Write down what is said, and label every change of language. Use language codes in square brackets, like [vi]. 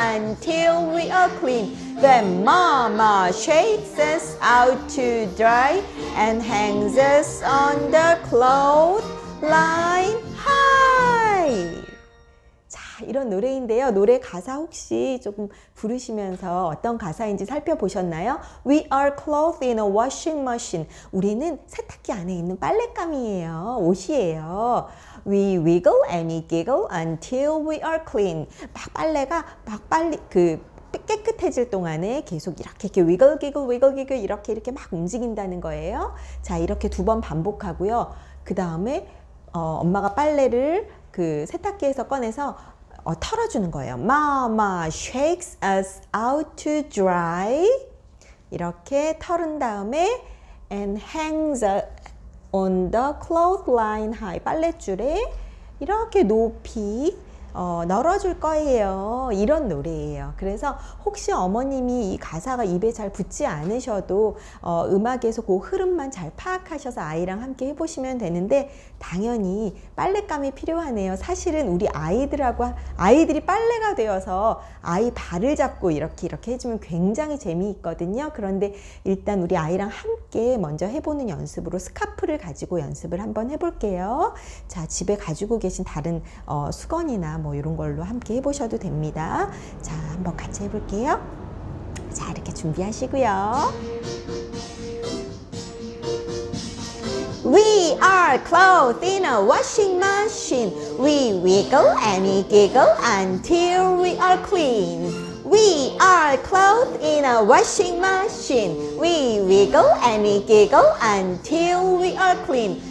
[en] We are clothes in a washing machine. We wiggle and giggle until we are clean. Then mama shakes us out to dry and hangs us on the clothesline high. [ko] 이런 노래인데요. 노래 가사 혹시 조금 부르시면서 어떤 가사인지 살펴보셨나요? [en] We are clothed in a washing machine. [ko] 우리는 세탁기 안에 있는 빨랫감이에요. 옷이에요. [en] We wiggle and giggle until we are clean. [ko] 막 빨래가 막 빨리 그 깨끗해질 동안에 계속 이렇게 [en] wiggle giggle wiggle giggle [ko] 이렇게 막 움직인다는 거예요. 자, 이렇게 두 번 반복하고요. 그 다음에 엄마가 빨래를 그 세탁기에서 꺼내서 털어주는 거예요. [en] Mama shakes us out to dry. [ko] 이렇게 털은 다음에 [en] and hangs on the clothesline high. [ko] 빨랫줄에 이렇게 높이 널어줄 거예요. 이런 노래예요. 그래서 혹시 어머님이 이 가사가 입에 잘 붙지 않으셔도 음악에서 그 흐름만 잘 파악하셔서 아이랑 함께 해보시면 되는데 당연히 빨랫감이 필요하네요. 사실은 우리 아이들이 빨래가 되어서 아이 발을 잡고 이렇게 해주면 굉장히 재미있거든요. 그런데 일단 우리 아이랑 함께 먼저 해보는 연습으로 스카프를 가지고 연습을 한번 해볼게요. 자, 집에 가지고 계신 다른 수건이나 뭐 이런 걸로 함께 해보셔도 됩니다. 자, 한번 같이 해볼게요. 자, 이렇게 준비하시고요. [en] We are clothed in a washing machine. We wiggle and we giggle until we are clean. We are clothed in a washing machine. We wiggle and we giggle until we are clean.